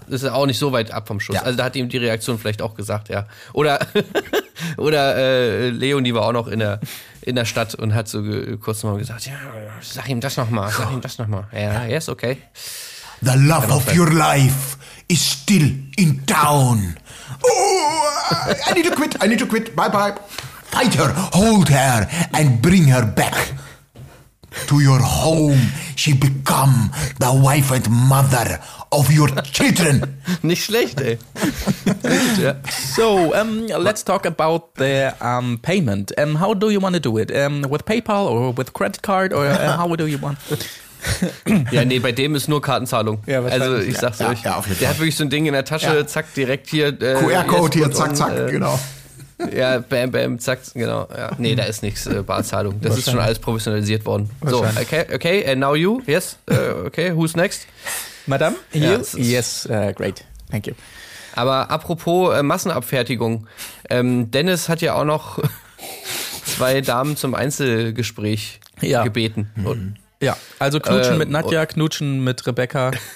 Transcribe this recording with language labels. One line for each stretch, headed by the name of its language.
German: Das ist auch nicht so weit ab vom Schuss. Ja. Also da hat ihm die Reaktion vielleicht auch gesagt, ja. Oder oder Leonie war auch noch in der Stadt und hat so kurz mal gesagt, ja, sag ihm das nochmal. Ja,
English: yes, okay. The love of your life is still in town. Oh, I need to quit, bye. Fight her, hold her and bring her back to your home. She become the wife and mother of your children.
German: Nicht schlecht, ey.
English: So, let's talk about the payment. How do you want to do it? With PayPal or with credit card or how do you want...
German: Ja, nee, bei dem ist nur Kartenzahlung. Ja, also ich sag's euch. Ja, auf jeden Fall. Hat wirklich so ein Ding in der Tasche, zack, direkt hier. QR-Code hier, zack, genau. Ja, bam, zack, genau. Ja. Nee, da ist nichts, Barzahlung. Das ist schon alles professionalisiert worden.
English: So, okay, and now you, yes, okay, who's next? Madame, here? Yes, great, thank you.
German: Aber apropos Massenabfertigung, Dennis hat ja auch noch zwei Damen zum Einzelgespräch gebeten. Mhm. Ja, also knutschen mit Nadja, knutschen mit Rebecca.